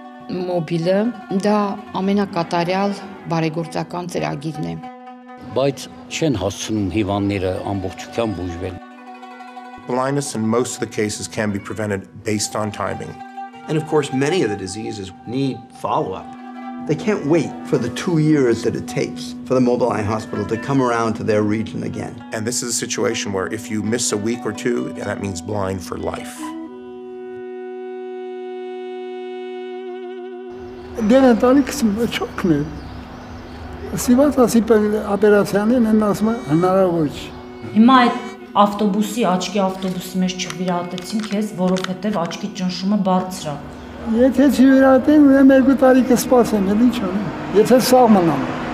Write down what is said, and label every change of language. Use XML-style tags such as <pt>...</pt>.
<hy>Մոբիլը դա ամենակատարյալ բարեգործական ծրագիրն է։ Բայց չեն հասցնում հիվանդները ամբողջությամբ բուժվել։</hy> <en>Blindness in most of the cases can be prevented based on timing. And of course, many of the diseases need follow-up. They can't wait for the 2 years that it takes for the mobile eye hospital to come around to their region again. And this is a situation where if you miss a week or two, that means blind for life.</en> <hy>Ավտոբուսի աչքի ավտոբուսի մեջ չվիրատեցին քեզ, որովհետև աչքի ճնշումը բարձր է։ Եթե չվիրատեն, ուրեմն 2 տարի կսպասեմ, էլի չեմ։ Եթե սաղ մնամ։</hy>